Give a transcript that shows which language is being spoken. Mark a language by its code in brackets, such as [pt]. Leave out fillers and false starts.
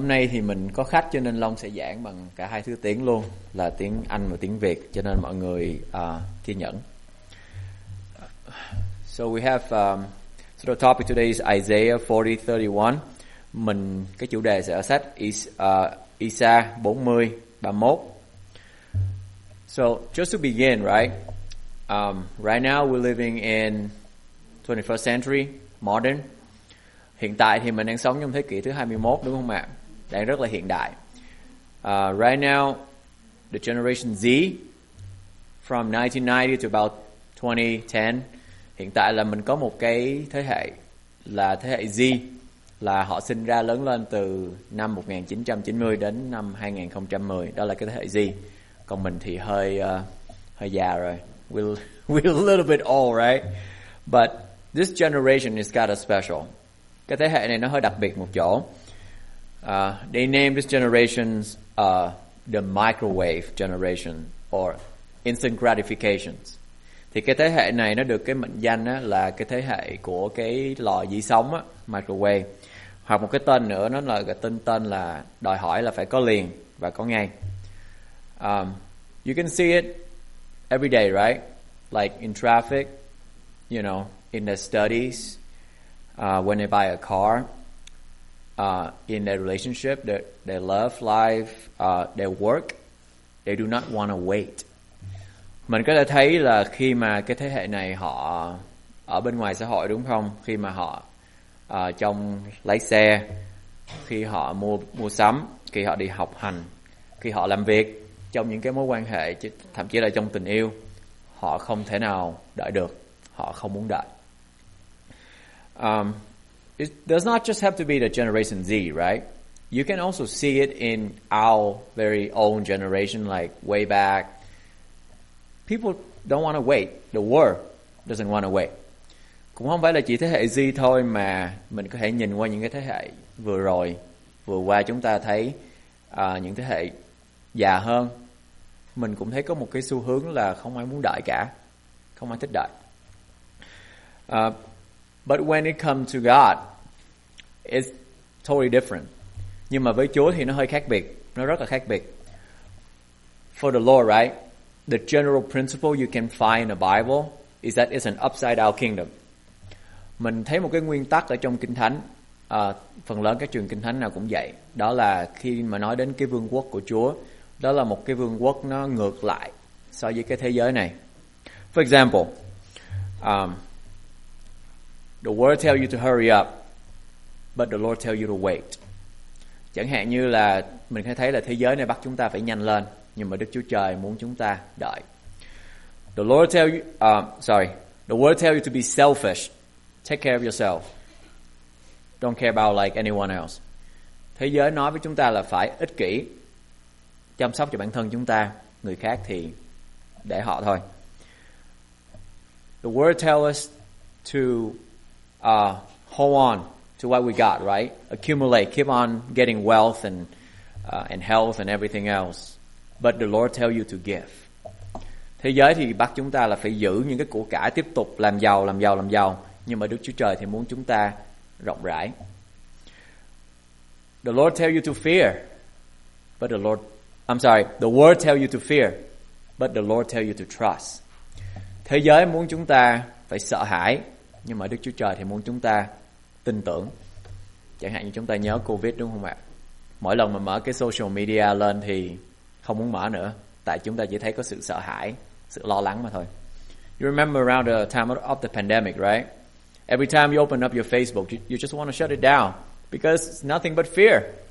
[vi] Thì mình có khách cho nên Long sẽ giảng bằng cả hai thứ tiếng luôn, là tiếng Anh và tiếng Việt, cho nên mọi người kiên nhẫn. [en] So we have so the topic today is Isaiah 40:31. [vi] Mình cái chủ đề sẽ ở sách Isaiah 40:31. [en] So just to begin, right? Right now we're living in 21st century, modern. [vi] Hiện tại thì mình đang sống trong thế kỷ thứ 21, đúng không ạ? Đang rất là hiện đại. [en] Right now, the Generation Z, from 1990 to about 2010, [vi] hiện tại là mình có một cái thế hệ là thế hệ Z, là họ sinh ra lớn lên từ năm 1990 đến năm 2010. Đó là cái thế hệ Z. Còn mình thì hơi già rồi. [en] We're a little bit old, right? But this generation is kind of special. [vi] Cái thế hệ này nó hơi đặc biệt một chỗ. [en] They named this generation the microwave generation or instant gratifications. [vi] Thì cái thế hệ này nó được cái mệnh danh là cái thế hệ của cái lò vi sóng á, microwave. Hoặc một cái tên nữa nó là cái tên là đòi hỏi là phải có liền và có ngay. [en] You can see it every day, right? Like in traffic, you know, in their studies, when they buy a car, in their relationship, their love life, their work, they do not want to wait. [vi] Mình có thể thấy là khi mà cái thế hệ này họ ở bên ngoài xã hội đúng không? Khi mà họ trong lái xe, khi họ mua sắm, khi họ đi học hành, khi họ làm việc, trong những cái mối quan hệ, thậm chí là trong tình yêu, họ không thể nào đợi được, họ không muốn đợi. [en] It does not just have to be the Generation Z, right? You can also see it in our very own generation, like way back. People don't want to wait. The world doesn't want to wait. [vi] Cũng không phải là chỉ thế hệ Z thôi mà mình có thể nhìn qua những cái thế hệ vừa rồi, vừa qua chúng ta thấy những thế hệ già hơn. Mình cũng thấy có một cái xu hướng là không ai muốn đợi cả, không ai thích đợi. [en] But when it comes to God, it's totally different. [vi] Nhưng mà với Chúa thì nó hơi khác biệt, nó rất là khác biệt. [en] For the Lord, right? The general principle you can find in the Bible is that it's an upside down kingdom. [vi] Mình thấy một cái nguyên tắc ở trong Kinh Thánh, phần lớn các trường Kinh Thánh nào cũng vậy, đó là khi mà nói đến cái vương quốc của Chúa, đó là một cái vương quốc nó ngược lại so với cái thế giới này. [en] For example, the world tells you to hurry up, but the Lord tells you to wait. [vi] Chẳng hạn như là mình hay thấy là thế giới này bắt chúng ta phải nhanh lên, nhưng mà Đức Chúa Trời muốn chúng ta đợi. [en] The world tells you to be selfish, take care of yourself, don't care about like anyone else. [vi] Thế giới nói với chúng ta là phải ích kỷ, chăm sóc cho bản thân chúng ta, người khác thì để họ thôi. [en] The world tells us to hold on to what we got, right? Accumulate, keep on getting wealth and health and everything else. But the Lord tells you to give. [vi] Thế giới thì bắt chúng ta là phải giữ những cái của cải, tiếp tục làm giàu, làm giàu, làm giàu. Nhưng mà Đức Chúa Trời thì muốn chúng ta rộng rãi. [en] The Lord tells you to fear, but the Lord, I'm sorry, the world tells you to fear, but the Lord tells you to trust. [vi] Thế giới muốn chúng ta phải sợ hãi, nhưng mà Đức Chúa Trời thì muốn chúng ta tin tưởng. Chẳng hạn như chúng ta nhớ COVID đúng không ạ? Mỗi lần mà mở cái social media lên thì không muốn mở nữa, tại chúng ta chỉ thấy có sự sợ hãi, sự lo lắng mà thôi. [en] You remember around the time of the pandemic, right? Every time you open up your Facebook, you just want to shut it down because it's nothing but fear.